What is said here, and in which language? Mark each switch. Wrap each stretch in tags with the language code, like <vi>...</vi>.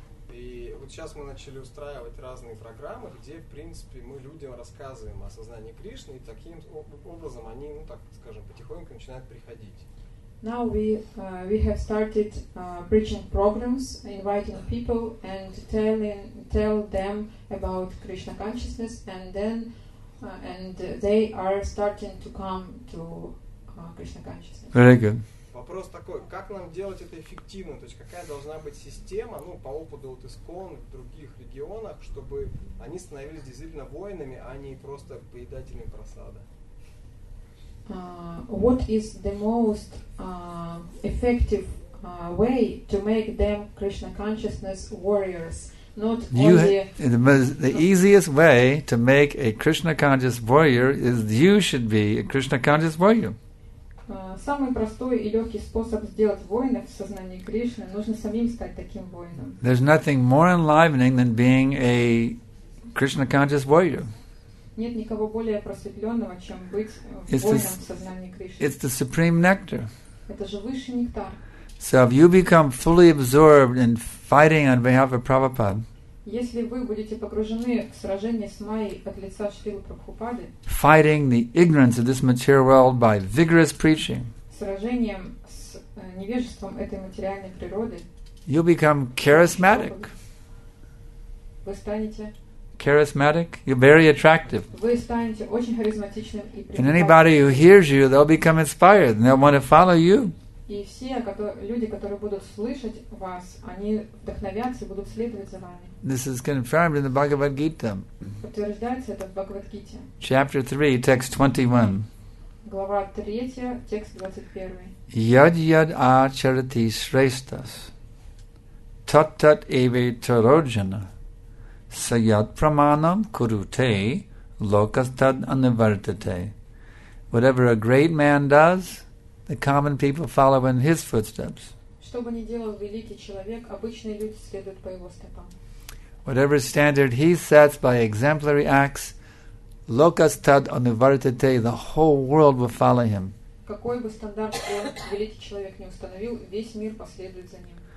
<ru>И вот сейчас мы начали устраивать разные программы, где, в принципе, мы людям рассказываем о сознании Кришны, и таким образом они, ну так скажем, потихоньку начинают приходить.</ru> <en>Now we have started preaching programs, inviting people and tell them about Krishna consciousness, and then they are starting to come to Krishna consciousness. Very good.</en> <ru>Вопрос такой: как нам делать это эффективно? То есть какая должна быть система, ну, по опыту вот ИСКОН в других регионах, чтобы они становились действительно воинами, а не просто поедателями просада?</ru> <en>What is the most effective way to make them Krishna consciousness warriors? The easiest way to make a Krishna conscious warrior is you should be a Krishna conscious warrior.</en> <ru>Самый простой и легкий способ сделать воина в сознании Кришны нужно самим стать таким воином.</ru> <en>There's nothing more enlivening than being a Krishna conscious warrior.</en> <ru>Нет никого более просветленного, чем быть воином в сознании Кришны.</ru> <en>It's the supreme nectar.</en> <ru>Это же высший нектар.</ru> <en>So if you become fully absorbed in fighting on behalf of Prabhupada,</en> <ru>если вы будете погружены в сражение с Майей от лица Шрилы Прабхупады,</ru> <en>fighting the ignorance of this material world by vigorous preaching,</en> <ru>сражением с невежеством этой материальной природы,</ru> <en>you become charismatic.</en> <ru>Вы станете</ru> <en>charismatic, you're very attractive.</en> <ru>Вы станете очень харизматичным и привлекательным.</ru> <en>And anybody who hears you, they'll become inspired and they'll want to follow you.</en> <ru>И все люди, которые будут слышать вас, они вдохновятся и будут следовать за вами.</ru> <en>This is confirmed in the Bhagavad Gita.</en> <ru>Подтверждается это в Бхагавад Гите.</ru> <en>Chapter 3, text 21.</en> <ru>Глава 3, текст 21.</ru> <sa>Яд яд ачарати срештас, тат тат эве тароджана, саят праманам куруте, локастад анавартате.</sa> <en>Whatever a great man does, the common people follow in his footsteps.</en> <ru>Что бы ни делал великий человек, обычные люди следуют по его стопам.</ru> <en>Whatever standard he sets by exemplary acts,</en> <sa>lokas tad anuvartate,</sa> <en>the whole world will follow him.</en> <ru>Какой бы стандарт великий человек ни установил, весь мир последует за ним.</ru>